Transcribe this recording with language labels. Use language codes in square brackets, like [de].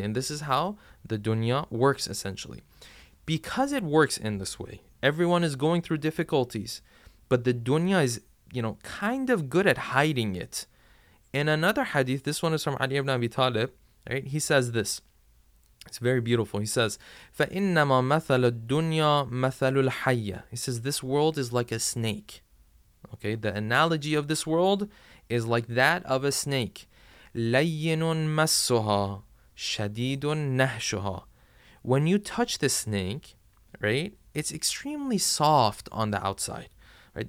[en] And this is how the dunya works, essentially. Because it works in this way, everyone is going through difficulties, but the dunya is, you know, kind of good at hiding it. In another hadith, this one is from Ali ibn Abi Talib, right, he says this. It's very beautiful. He says, [ar] فَإِنَّمَا مَثَلُ الدُّنْيَا مَثَلُ الْحَيَّةِ. [en] He says, this world is like a snake. Okay, the analogy of this world is like that of a snake. [ar] لَيِّنٌ مَسُّهَا شَدِيدٌ نَهْشُهَا. [en] When you touch the snake, right, it's extremely soft on the outside. Right?